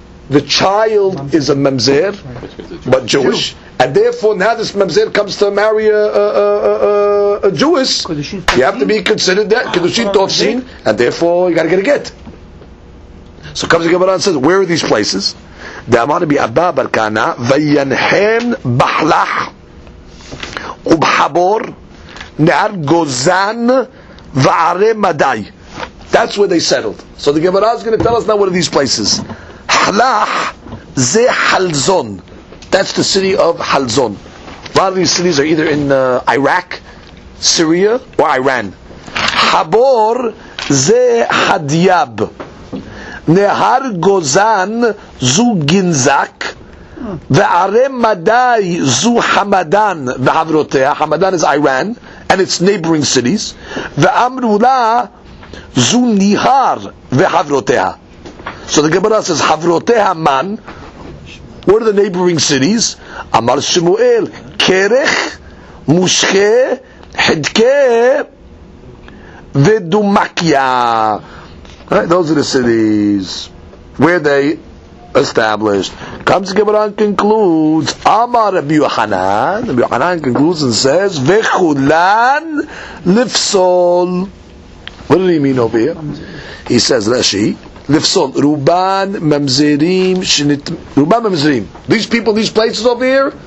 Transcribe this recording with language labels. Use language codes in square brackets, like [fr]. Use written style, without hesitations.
[en] The child is a Memzer, right. But Jewish. And therefore now this Memzer comes to marry a Jewish. You have to be considered that. Kiddushin Tovsin. And therefore you got to get a get. So comes the Gemara and says, where are these places? [he] דאמר רבי אבא בר כהנא וינחם בחלח ובחבור נהר גוזן וערי מדי. [en] That's where they settled. So the Gemara is going to tell us now one of these places. [he] חלח זה חלזון. [en] That's the city of חלזון. A lot of these cities are either in Iraq, Syria, or Iran. [he] חבור זה חדיאב. נהר גוזן זו גינזק וערי מדי זו חמדן וחברותיה. [en] חמדן is Iran and its neighboring cities. [he] ואמרו לה זו ניהר וחברותיה. [en] So the Gemara says [he] חברותיה מן. [en] What are the neighboring cities? [he] אמר שמואל קרח מושכה חדקה ודומקיה. [en] Right, those are the cities where they established. Comes Gemara and concludes. Amar Rabbi Yochanan. Rabbi Yochanan concludes and says, [he] "Vechulan lifsol." [en] What did he mean over here? He says, [he] "Rashi lifsol ruban memzerim shnit ruban memzerim." [en] These people, these places over here,